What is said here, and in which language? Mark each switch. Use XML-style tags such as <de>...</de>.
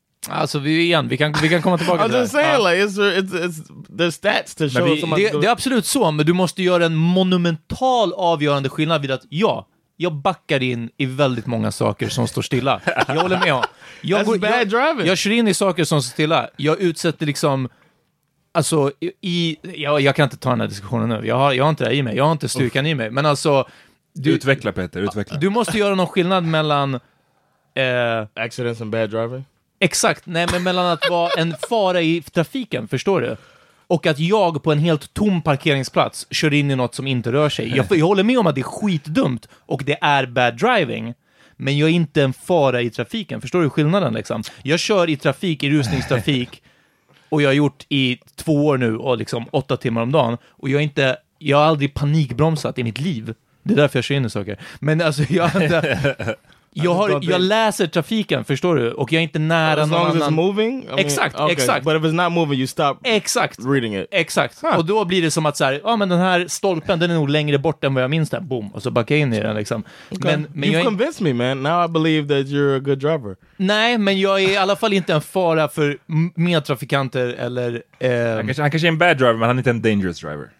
<sv>Alltså vi kan komma tillbaka till det.</sv> <en>I'm just saying like it's stats to show.</en> <sv>Det är absolut så, men du måste göra en monumental avgörande skillnad vid att jag backar in i väldigt många saker som står stilla. Jag håller med. Jag kör in i saker som står stilla. Jag utsätter liksom. Alltså, jag kan inte ta den här diskussionen nu. Jag har inte det i mig. Jag har inte styrkan i mig. Men alltså... Utveckla, Peter. Utveckla. Du måste göra någon skillnad mellan...</sv> <en>accidents and bad driving?</en> <sv>Exakt. Nej, men mellan att vara en fara i trafiken, förstår du? Och att jag på en helt tom parkeringsplats kör in i något som inte rör sig. Jag håller med om att det är skitdumt och det är bad driving. Men jag är inte en fara i trafiken. Förstår du skillnaden, liksom? Jag kör i trafik, i rusningstrafik... Och jag har gjort i 2 år nu och liksom 8 timmar om dagen. Och jag har aldrig panikbromsat i mitt liv. Det är därför jag kör in i saker. Men alltså, jag har inte... jag läser trafiken, förstår du? Och jag är inte nära någon annan.</sv> <en>As long as it's moving?</en> <sv>Exakt.</sv> <en>But if it's not moving, you stop reading it.</en> <sv>Exakt. Huh. Och då blir det som att så här, ja, men den här stolpen, den är nog längre bort än vad jag minns den. Boom. Och så backar jag in i den liksom.</sv> <en>Okay. Men you've convinced me, man. Now I believe that you're a good driver.</en> <sv>Nej, men jag är i alla fall inte en fara för mer trafikanter eller... Han kanske är en bad driver, men han är inte en dangerous driver.</sv>